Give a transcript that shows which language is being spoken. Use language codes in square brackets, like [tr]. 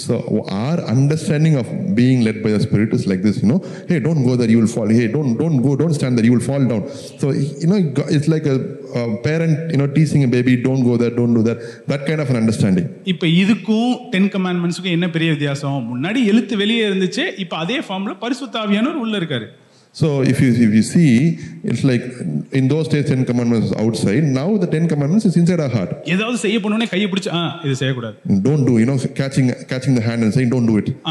[en] So our understanding of being led by the spirit is like this, you know, hey don't go there you will fall, hey don't don't go, don't stand there you will fall down. So you know it's like a parent you know teasing a baby, don't go there, don't do that, that kind of an understanding. [ta] இப்போ இதுக்கும் ten கமாண்ட்மெண்ட்ஸுக்கும் என்ன பெரிய வித்தியாசம், முன்னாடி எழுத்து வெளியே இருந்துச்சு, இப்போ அதே ஃபார்ம்ல பரிசுத்தாவியானவர் உள்ளே இருக்காரு. [en] So if you see, it's like in those days 10 commandments was outside, now the 10 commandments is inside our heart. [ta] எதாவது செய்ய போறேனே கைய பிடிச்சு இது செய்ய கூடாது, [en] don't do, you know, catching the hand and saying don't do it,